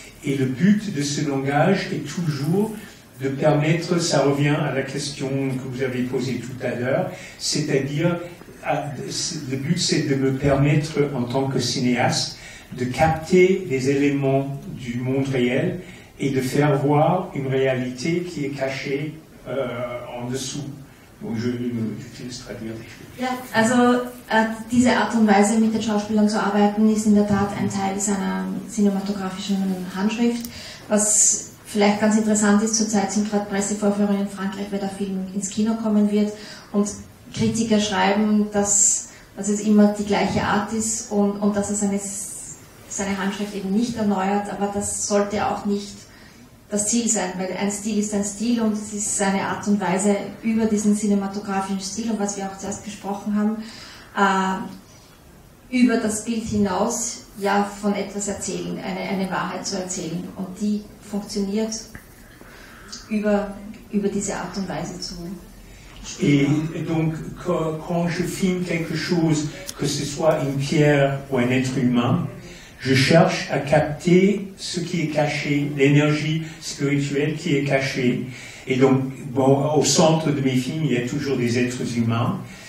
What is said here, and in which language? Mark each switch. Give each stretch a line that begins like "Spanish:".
French: Et le but de ce langage est toujours de permettre, ça revient à la question que vous avez posée tout à l'heure, c'est-à-dire, le but c'est de me permettre, en tant que cinéaste, de capter les éléments du monde réel et de faire voir une réalité qui est cachée en dessous. Bon, je vais me traduire.
German: Ja, also diese Art und Weise, mit den Schauspielern zu arbeiten, ist in der Tat ein Teil seiner cinématographischen Handschrift, was vielleicht ganz interessant ist. Zurzeit sind gerade Pressevorführungen in Frankreich, weil der Film ins Kino kommen wird. Und Kritiker schreiben, dass es immer die gleiche Art ist und dass er seine Handschrift eben nicht erneuert. Aber das sollte auch nicht das Ziel sein, weil ein Stil ist ein Stil und es ist seine Art und Weise, über diesen cinematografischen Stil und was wir auch zuerst gesprochen haben, über das Bild hinaus ja von etwas erzählen, eine Wahrheit zu erzählen. Und die funktioniert über diese Art und Weise zu spielen.
French: Et donc, quand je filme quelque chose, que ce soit une pierre ou un être humain, je cherche à capter ce qui est caché, l'énergie spirituelle qui est cachée. Et donc, bon, au centre de mes films, il y a toujours des êtres humains.